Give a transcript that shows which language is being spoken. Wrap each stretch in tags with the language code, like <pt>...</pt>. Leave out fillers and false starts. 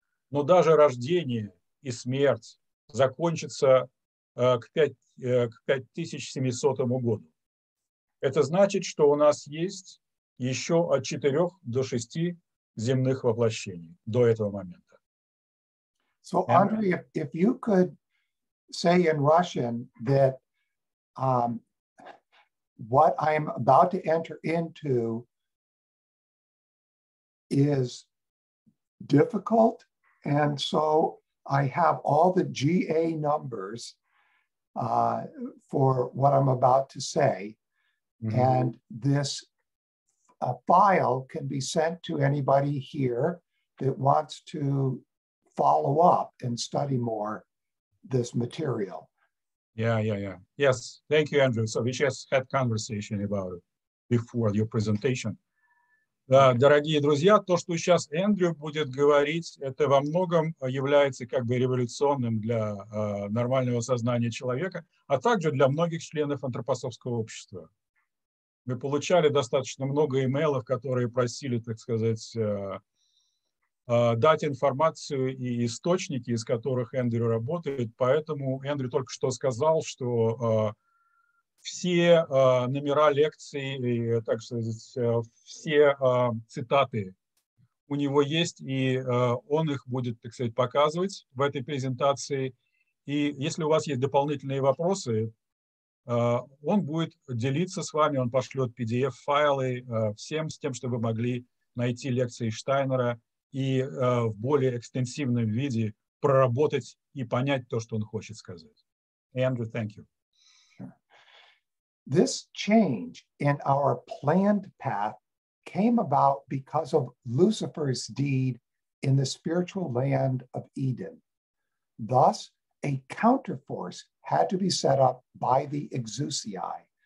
<ru>Но даже рождение и смерть закончатся к 5700 году. Это значит, что у нас есть еще от 4 до 6 земных воплощений до этого момента.</ru> <en>So, Andrey, if you could say in Russian that what I'm about to enter into is difficult, and so I have all the GA numbers for what I'm about to say, mm-hmm. and this file can be sent to anybody here that wants to follow up and study more this material. Yeah. Yes, thank you, Andrew. So we just had conversation about it before your presentation.</en> <ru>Дорогие друзья, то, что сейчас Эндрю будет говорить, это во многом является как бы революционным для нормального сознания человека, а также для многих членов антропософского общества. Мы получали достаточно много имейлов, которые просили, так сказать, дать информацию и источники, из которых Эндрю работает. Поэтому Эндрю только что сказал, что все номера лекций, так сказать, все цитаты у него есть, и он их будет, так сказать, показывать в этой презентации. И если у вас есть дополнительные вопросы, он будет делиться с вами, он пошлет PDF-файлы всем с тем, чтобы вы могли найти лекции Штайнера и в более экстенсивном виде проработать и понять то, что он хочет сказать.</ru> <en>Andrew, thank you. This change in our planned path came about because of Lucifer's deed in the spiritual land of Eden. Thus, a counterforce had to be set up by the exousiae.</en>